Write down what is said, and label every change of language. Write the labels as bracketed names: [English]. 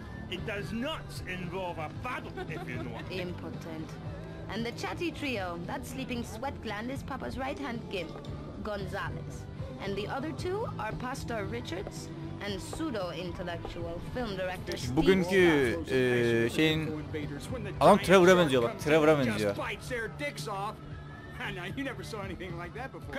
[English] It does not involve a paddle if you know. Impotent. And the chatty trio, that sleeping sweat gland is Papa's right hand gimp, Gonzalez. And the other two are Pastor Richards and pseudo intellectual film director Steve. [Turkish] Bugünkü şeyin adam Trevor'a benziyor, bak Trevor'a benziyor. [English] Now, you never saw anything like that before.